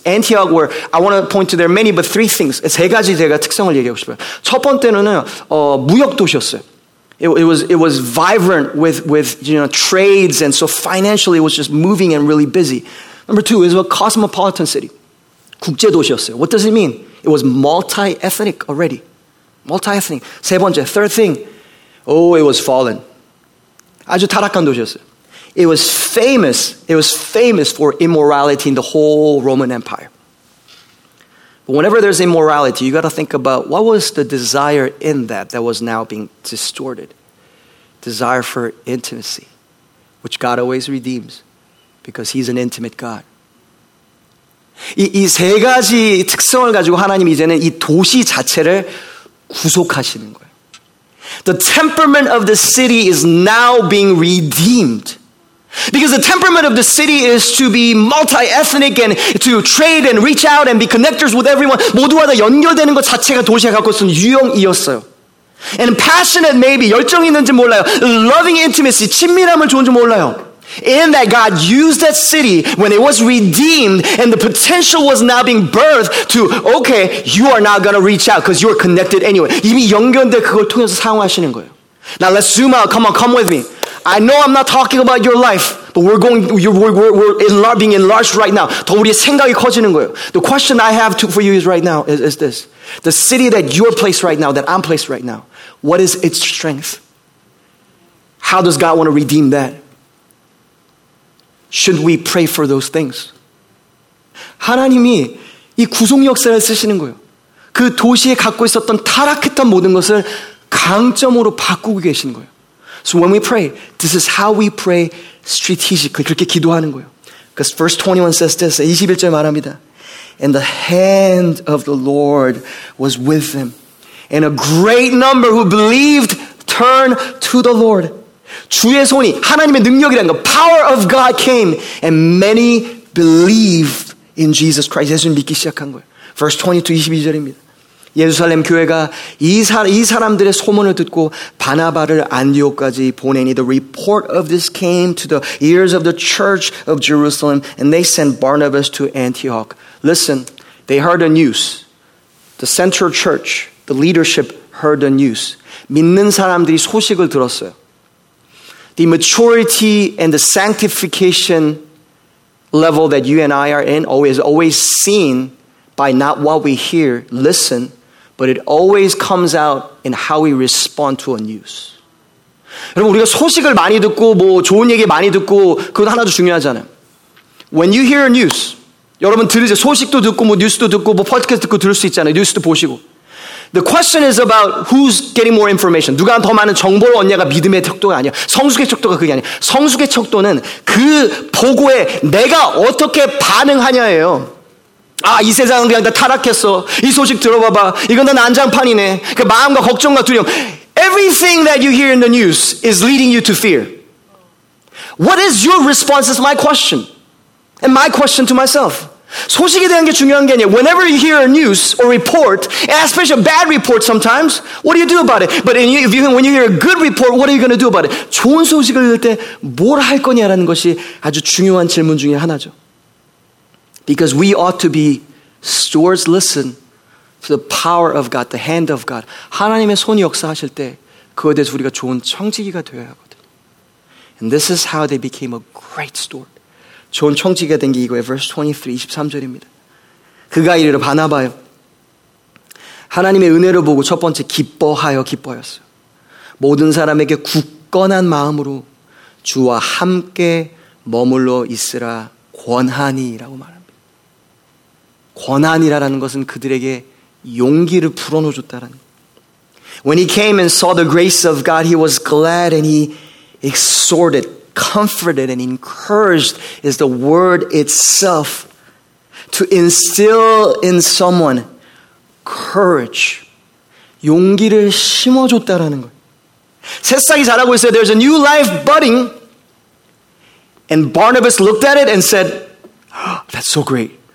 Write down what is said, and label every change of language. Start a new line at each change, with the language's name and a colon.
English: Antioch were, I want to point to there many, but three things.
Korean: 세 가지 제가 특성을 얘기하고 싶어요. 첫 번째는요, 무역 도시였어요.
English: It was vibrant with you know, trades, and so financially it was just moving and really busy. Number two is a cosmopolitan city.
Korean: 국제 도시였어요.
English: What does it mean? It was multi-ethnic already. Multi-ethnic.
Korean: 세 번째,
English: third thing, oh, it was fallen.
Korean: 아주 타락한 도시였어요.
English: It was famous for immorality in the whole Roman Empire. But whenever there's immorality, you got to think about what was the desire in that was now being distorted. Desire for intimacy, which God always redeems because He's an intimate God.
Korean: 이 세 가지 특성을 가지고 하나님 이제는 이 도시 자체를 구속하시는 거예요.
English: The temperament of the city is now being redeemed. Because the temperament of the city is to be multi-ethnic and to trade and reach out and be connectors with everyone.
Korean: 모두와 다 연결되는 것 자체가 도시가 갖고 있는 유형이었어요.
English: And passionate maybe,
Korean: 열정이 있는지 몰라요.
English: Loving intimacy,
Korean: 친밀함을 좋은지 몰라요.
English: And that God used that city when it was redeemed and the potential was now being birthed to, okay, you are now going to reach out because you are connected anyway.
Korean: 이미 연결돼 그걸 통해서 사용하시는 거예요.
English: Now let's zoom out. Come on, come with me. I know I'm not talking about your life, but we're going, we're being enlarged right now.
Korean: 더 우리의 생각이 커지는 거예요.
English: The question I have to, for you is right now is this. The city that you're placed right now, that I'm placed right now, what is its strength? How does God want to redeem that? Should we pray for those things?
Korean: 하나님이 이 구속 역사를 쓰시는 거예요. 그 도시에 갖고 있었던 타락했던 모든 것을 강점으로 바꾸고 계시는 거예요.
English: So when we pray, this is how we pray strategically.
Korean: 그렇게 기도하는 거예요.
English: Because verse 21 says this,
Korean: 21절 말합니다.
English: And the hand of the Lord was with them. And a great number who believed turned to the Lord.
Korean: 주의 손이 하나님의 능력이라는 거
English: power of God came and many believed in Jesus Christ
Korean: 예수님 믿기 시작한 거예요
English: verse 22,
Korean: 22절입니다 예루살렘 교회가 이 사람들의 소문을 듣고 바나바를 안디옥까지 보내니
English: the report of this came to the ears of the church of Jerusalem and they sent Barnabas to Antioch listen, they heard the news the central church, the leadership heard the news
Korean: 믿는 사람들이 소식을 들었어요
English: The maturity and the sanctification level that you and I are in is always seen by not what we hear, listen, but it always comes out in how we respond to a news.
Korean: 여러분, 우리가 소식을 많이 듣고, 뭐, 좋은 얘기 많이 듣고, 그건 하나도 중요하잖아요.
English: When you hear a news,
Korean: 여러분 들으세요. 소식도 듣고, 뭐, 뉴스도 듣고, 뭐, 팟캐스트 듣고 들을 수 있잖아요. 뉴스도 보시고.
English: The question is about who's getting more information.
Korean: 누가 더 많은 정보를 얻냐가 믿음의 척도가 아니야. 성숙의 척도가 그게 아니야. 성숙의 척도는 그 보고에 내가 어떻게 반응하냐예요. 아, 이 세상은 그냥 다 타락했어. 이 소식 들어봐봐. 이건 다 난장판이네. 그 마음과 걱정과 두려움.
English: Everything that you hear in the news is leading you to fear. What is your response is my question. And my question to myself.
Korean: 소식에 대한 게 중요한 게 아니에요.
English: Whenever you hear a news or report, especially a bad report sometimes, what do you do about it? But when you hear a good report, what are you going to do about it?
Korean: 좋은 소식을 들을 때 뭘 할 거냐라는 것이 아주 중요한 질문 중에 하나죠.
English: Because we ought to be stewards, listen to the power of God, the hand of God.
Korean: 하나님의 손이 역사하실 때 그거에 대해서 우리가 좋은 청지기가 되어야 하거든.
English: And this is how they became a great steward.
Korean: 좋은 청지기가 된 게 이거예요.
English: Verse 23,
Korean: 23절입니다. 그가 이르러 바나바요. 하나님의 은혜를 보고 첫 번째 기뻐하여 기뻐하였어요. 모든 사람에게 굳건한 마음으로 주와 함께 머물러 있으라 권하니라고 말합니다. 권하니라는 것은 그들에게 용기를 불어넣어줬다라는 거예요.
English: When he came and saw the grace of God, he was glad and he exhorted. Comforted and encouraged is the word itself to instill in someone courage.
Korean: 용기를 심어줬다라는 거예요. 새싹이 자라고 있어요.
English: There's a new life budding. And Barnabas looked at it and said, oh, that's so great.